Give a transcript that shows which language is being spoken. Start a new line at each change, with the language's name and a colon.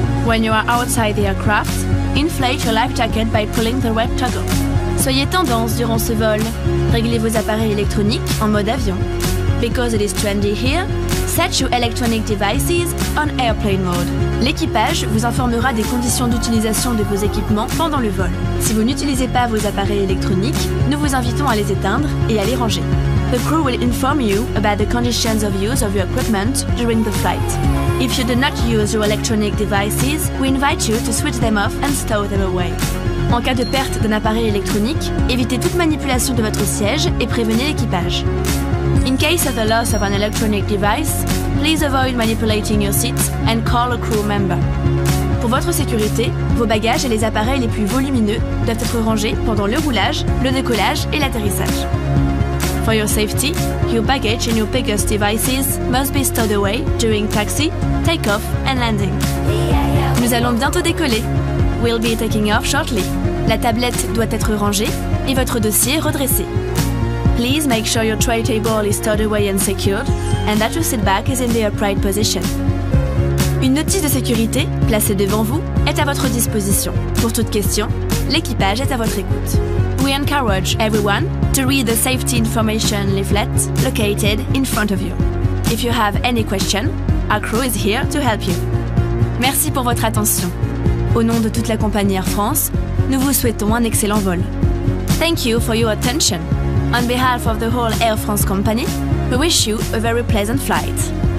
English: When you are outside the aircraft, inflate your life jacket by pulling the red toggle.
French: Soyez tendance durant ce vol. Réglez vos appareils électroniques en mode avion.
English: Because it is trendy here, set your electronic devices on airplane mode.
French: L'équipage vous informera des conditions d'utilisation de vos équipements pendant le vol. Si vous n'utilisez pas vos appareils électroniques, nous vous invitons à les éteindre et à les ranger.
English: The crew will inform you about the conditions of use of your equipment during the flight. If you do not use your electronic devices, we invite you to switch them off and stow them away.
French: En cas de perte d'un appareil électronique, évitez toute manipulation de votre siège et prévenez l'équipage.
English: In case of the loss of an electronic device, please avoid manipulating your seat and call a crew member.
French: Pour votre sécurité, vos bagages et les appareils les plus volumineux doivent être rangés pendant le roulage, le décollage et l'atterrissage.
English: For your safety, your baggage and your biggest devices must be stowed away during taxi, take-off and landing.
French: Nous allons bientôt décoller.
English: We'll be taking off shortly.
French: La tablette doit être rangée et votre dossier redressé.
English: Please make sure your tray table is stowed away and secured, and that your seat back is in the upright position.
French: Une notice de sécurité, placée devant vous, est à votre disposition. Pour toute question, l'équipage est à votre écoute.
English: We encourage everyone to read the safety information leaflet located in front of you. If you have any question, our crew is here to help you.
French: Merci pour votre attention. Au nom de toute la compagnie Air France, nous vous souhaitons un excellent vol.
English: Thank you for your attention. On behalf of the whole Air France company, we wish you a very pleasant flight.